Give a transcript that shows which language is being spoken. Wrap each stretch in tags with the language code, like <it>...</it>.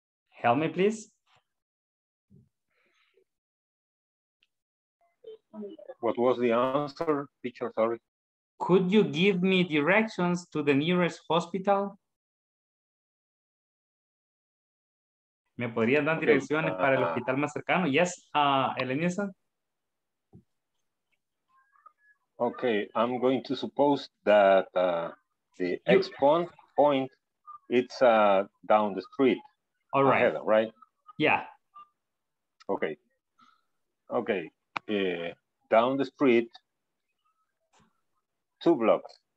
<en>Help me, please. What was the answer, teacher? Sorry. Could you give me directions to the nearest hospital?</en> <es>¿Me podrías dar direcciones para el hospital más cercano?</es> <en>Yes, Elenisa. Okay, I'm going to suppose that the expound point, it's down the street. All right. Ahead, right? Yeah. Okay. Okay. Down the street, two blocks.</en>